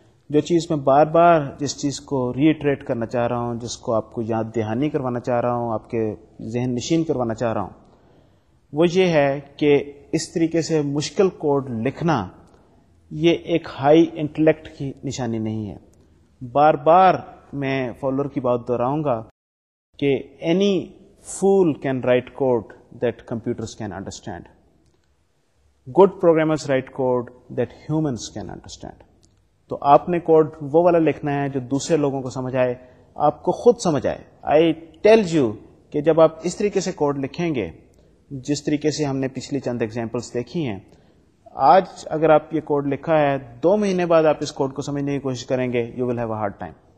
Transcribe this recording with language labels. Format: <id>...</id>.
<ur>جو چیز میں بار بار جس چیز کو ریٹریٹ کرنا چاہ رہا ہوں, جس کو آپ کو یاد دہانی کروانا چاہ رہا ہوں, آپ کے ذہن نشین کروانا چاہ رہا ہوں, وہ یہ ہے کہ اس طریقے سے مشکل کوڈ لکھنا یہ ایک ہائی انٹلیکٹ کی نشانی نہیں ہے. بار بار میں فالور کی بات دہراؤں گا کہ</ur> <en>Any fool can write code that computers can understand. Good programmers write code that humans can understand.</en> <ur>تو آپ نے کوڈ وہ والا لکھنا ہے جو دوسرے لوگوں کو سمجھ آئے, آپ کو خود سمجھ آئے.</ur> <en>I tell you</en> <ur>کہ جب آپ اس طریقے سے کوڈ لکھیں گے جس طریقے سے ہم نے پچھلی چند ایگزامپلس دیکھی ہیں, آج اگر آپ یہ کوڈ لکھا ہے دو مہینے بعد آپ اس کوڈ کو سمجھنے کی کوشش کریں گے,</ur> <en>You will have a hard time.</en>